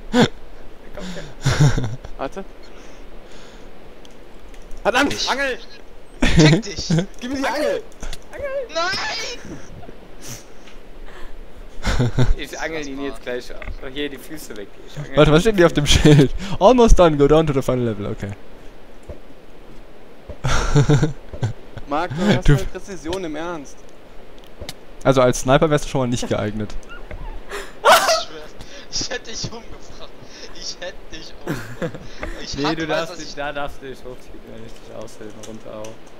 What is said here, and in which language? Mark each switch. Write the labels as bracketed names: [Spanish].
[German] Komm, Keller. Warte. Verdammt! Ich. Angel! Check dich! Gib mir die Angel! Angel! Nein! Ich angel ihn jetzt gleich auf. Hier die Füße weg. Warte, was steht hier auf dem Schild? [English] Almost done, go down to the final level, okay. [German] Marc, du hast halt Präzision im Ernst. Also als Sniper wärst du schon mal nicht geeignet. Ich hätte dich umgebracht. Ich hätte dich umgebracht. Nee, du darfst dich, da darfst du dich hochziehen, wenn ich dich aushilfe, runter auch.